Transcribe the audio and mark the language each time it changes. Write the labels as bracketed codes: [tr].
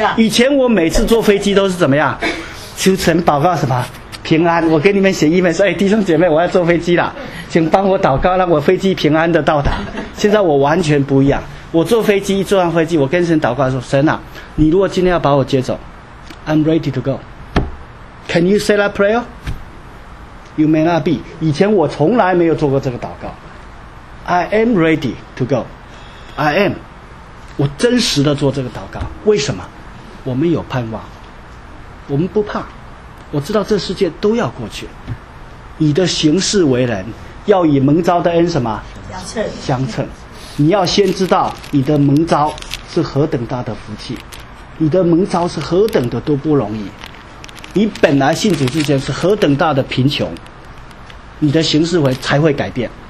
[zh] 以前我每次坐飞机都是怎么样，求神祷告什么平安，我给你们写 email 说，哎，弟兄姐妹，我要坐飞机了，请帮我祷告让我飞机平安的到达。现在我完全不一样，我坐飞机，坐上飞机我跟神祷告说，神啊，你如果今天要把我接走， [en] I'm ready to go， Can you say that prayer？ You may not be， [zh] 以前我从来没有做过这个祷告。 [en] I am ready to go， I am， [zh] 我真实的做这个祷告。为什么？我们有盼望，我们不怕，我知道这世界都要过去，你的行事为人要以蒙召的恩什么相称，你要先知道你的蒙召是何等大的福气，你的蒙召是何等的都不容易，你本来信主之前是何等大的贫穷，你的行事会才会改变。